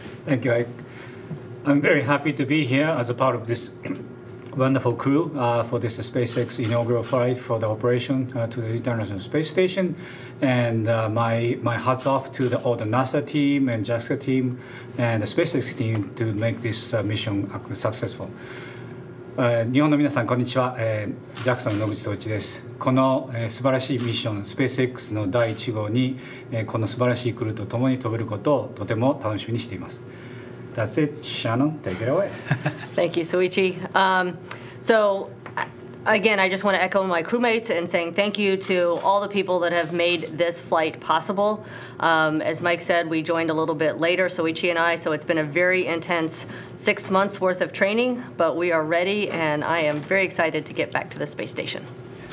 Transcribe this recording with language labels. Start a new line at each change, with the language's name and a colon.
English: Thank you, Ike. I'm very happy to be here as a part of this wonderful crew for this SpaceX inaugural flight for the operation to the International Space Station. And my hats off to all the NASA team and JAXA team and the SpaceX team to make this mission successful.
Japanese: 日本の皆さんこんにちは、JAXA の野口聡一です。この、素晴らしいミッション SpaceX の第1号に、この素晴らしいクルーと共に飛べることをとても楽しみにしています。
English: That's it, Shannon, take it away. Thank you, Soichi. So again, I just want to echo my crewmates and saying thank you to all the people that have made this flight possible. As Mike said, we joined a little bit later, Soichi and I, so it's been a very intense 6 months worth of training, but we are ready, and I am very excited to get back to the space station.